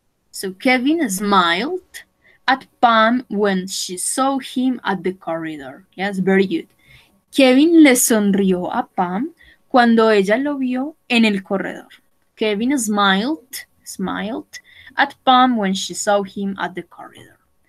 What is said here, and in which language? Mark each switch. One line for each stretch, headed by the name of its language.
English: So Kevin smiled at Pam when she saw him at the corridor. Yes, very good.
Spanish: Kevin le sonrió a Pam cuando ella lo vio en el corredor.
English: Kevin smiled at Pam when she saw him at the corridor.